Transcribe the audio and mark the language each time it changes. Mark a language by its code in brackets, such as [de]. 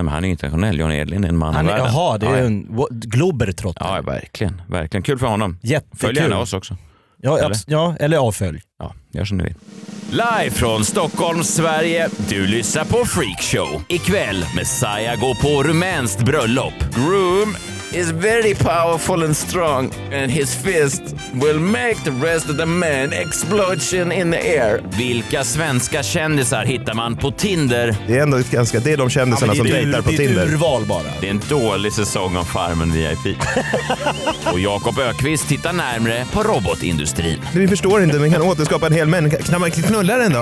[sv] Nej, men han är internationell. Johnny Edlind är en man av världen. Jaha, det är en globertrotter. Ja, verkligen. Verkligen. Kul för honom. Jättekul. Följ gärna oss också. Ja, eller avfölj. Ja, gör som ni vill. Live från Stockholm, Sverige. Du lyssnar på Freak Show. Ikväll, Messiah går på rumänskt bröllop. [en] Groom is very powerful and strong. And his fist will make the rest of the men explosion in the air. [sv] Vilka svenska kändisar hittar man på Tinder? Det är ändå ganska, det är de kändisarna, ja, är som dejtar på Tinder. Det är urval bara. Det är en dålig säsong av Farmen VIP. Och Jakob Ökvist tittar närmare på robotindustrin. Vi förstår inte, men kan återskapa en hel människa. Kan man knulla den då?